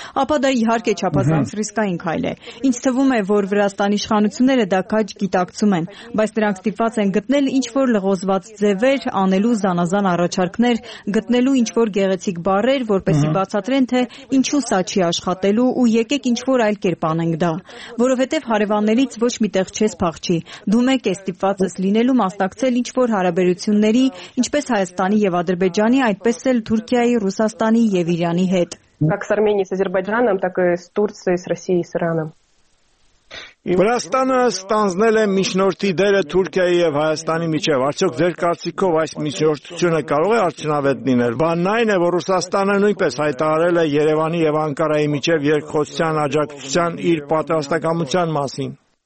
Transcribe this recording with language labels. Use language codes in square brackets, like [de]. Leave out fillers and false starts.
[hy] ապա դա իհարկե չափազանց ռիսկային քայլ է։ Ինձ թվում է, որ Վրաստանի իշխանությունները դա քաջ գիտակցում են, բայց նրանք ստիպված են գտնել ինչ որ լղոզված ձևեր, անելու զանազան առաջարկներ, գտնելու ինչ որ գեղեցիկ բարեր, որպեսզի բացատրեն, թե ինչու սա չի աշխատելու ու եկեք ինչ որ այլ կերպ անենք դա, որովհետև հարևաններից ոչ մի տեղ չես փախչի, դու մեկ ես ստիպված ես լինելու մասնակցել ինչ որ հարաբերությունների, ինչպես Հայաստանի եւ Ադրբեջանի, այդպես էլ Թուրքիայի, Ռուսաստանի եւ Իրանի հետ, [ru] как с Арменией, с Азербайджаном, так и с Турцией, с Россией, с Ираном. [hy] Վրաստանը ստանձնել է միջնորդի դերը Թուրքիայի եւ Հայաստանի միջեւ։ Արդյոք ձեր կարծիքով այս միջնորդությունը կարող է արդյունավետ լինել։ Բանն այն է, որ Ռուսաստանը նույնպես հայտարարել է Երևանի եւ Անկարայի միջեւ երկխոսության աջակցության իր պատրաստակամության մասին։